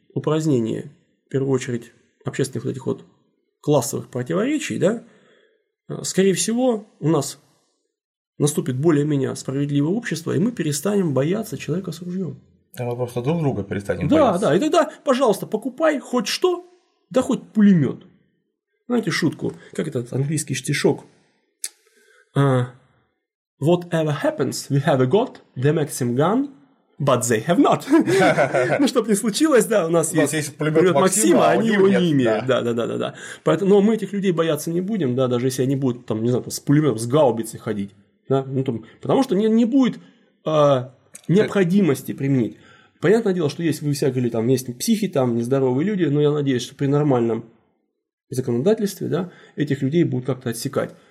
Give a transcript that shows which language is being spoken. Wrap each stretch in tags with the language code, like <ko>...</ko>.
<ru>упразднение, в первую очередь, общественных вот этих вот классовых противоречий, да, скорее всего, у нас наступит более-менее справедливое общество, и мы перестанем бояться человека с ружьем. Да мы просто друг друга перестанем да, бояться. Да, да, и тогда, пожалуйста, покупай хоть что, да хоть пулемет. Знаете шутку, как этот английский стишок?</ru> <en>Whatever happens, we have a God, the Maxim gun, but they have not.</en> <ru>Ну, чтоб не случилось, да, у нас есть пулемет Максима, а они его не имеют. Да, да, да, да, да. Но мы этих людей бояться не будем, да, даже если они будут, там, не знаю, с пулеметом, с гаубицей ходить. Да, ну, там, потому что не будет необходимости применить. Понятное дело, что есть, вы все говорили, там есть психи, там нездоровые люди, но я надеюсь, что при нормальном законодательстве, да, этих людей будут как-то отсекать.</ru>